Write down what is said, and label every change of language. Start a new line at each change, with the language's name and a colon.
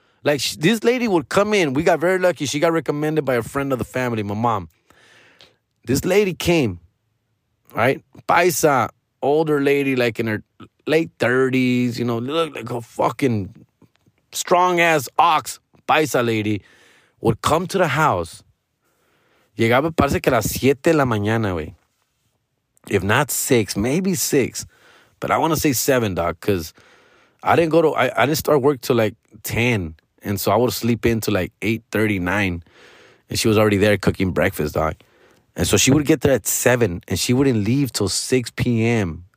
English: Like, this lady would come in. We got very lucky. She got recommended by a friend of the family, my mom. This lady came, right? Paisa, older lady, like in her late 30s, you know, look like a fucking strong-ass ox. Paisa lady would come to the house.
Spanish: Llegaba, parece que a las 7 de la mañana, güey.
English: If not 6, maybe 6. But I want to say 7, dog, because I didn't start work till like 10. And so I would sleep in till like 8:30, 9. And she was already there cooking breakfast, dog. And so she would get there at 7. And she wouldn't leave till 6 p.m.